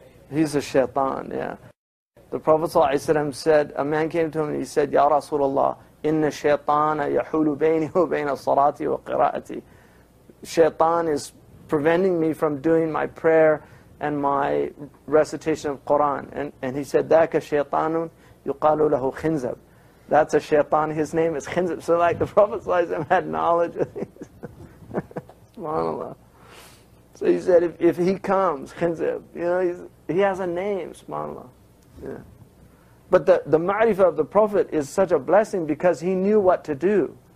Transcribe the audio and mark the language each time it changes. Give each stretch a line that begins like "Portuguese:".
English: He's a shaitan, yeah. The Prophet ﷺ said, a man came to him and he said, Ya Rasulullah,
Arabic: Inna shaytana yahulu bayni wa bayna salati wa qira'ati.
English: Shaytan is preventing me from doing my prayer and my recitation of Quran.
Arabic: And he said, ذَاكَ شَيْطَانٌ يُقَالُ لَهُ خِنْزَبْ.
English: That's a shaitan, his name is Khinzab. So like the Prophet ﷺ had knowledge of these. SubhanAllah. So he said, if he comes, Khinzab, you know, he has a name, SubhanAllah. Yeah. But the ma'rifah of the Prophet is such a blessing because he knew what to do.